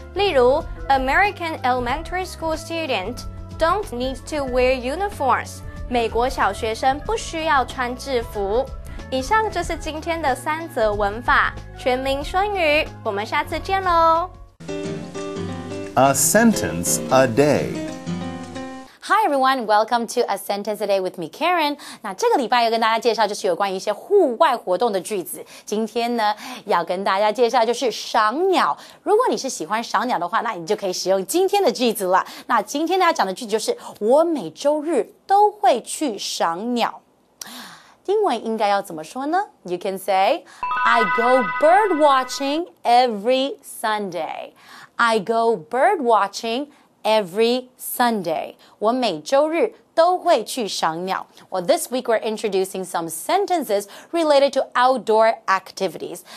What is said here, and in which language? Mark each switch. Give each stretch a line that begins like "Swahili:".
Chinese: 例如
English: American elementary school students don't need to wear uniforms，
Chinese: 美国小学生不需要穿制服。以上就是今天的三则文法，全民双语，我们下次见咯。
English: A sentence a day Hi everyone, welcome to A Sentence Today with me, Karen.
Chinese: 那这个礼拜要跟大家介绍就是有关于一些户外活动的句子。今天呢要跟大家介绍就是赏鸟。如果你是喜欢赏鸟的话，那你就可以使用今天的句子了。那今天要讲的句子就是我每周日都会去赏鸟。英文应该要怎么说呢？
English: You can say, I go bird watching every Sunday. I go bird watching every Sunday.
Chinese: 我每周日都会去赏鸟。
English: Well, this week we're introducing some sentences related to outdoor activities.